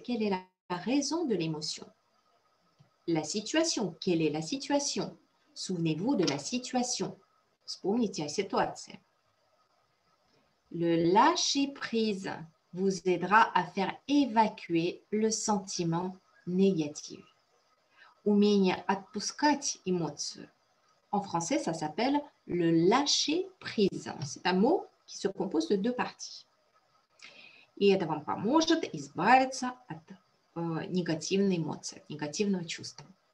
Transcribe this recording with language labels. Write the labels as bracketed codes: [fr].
[fr] Quelle est la raison de l'émotion? La situation. Quelle est la situation? Souvenez-vous de la situation. [ru] Вспомните о ситуации. [fr] Le lâcher prise vous aidera à faire évacuer le sentiment négatif. [ru] Умение отпускать эмоцию. [fr] En français, ça s'appelle le lâcher prise. C'est un mot qui se compose de deux parties. [ru] И это вам поможет избавиться от негативной эмоции, негативного чувства.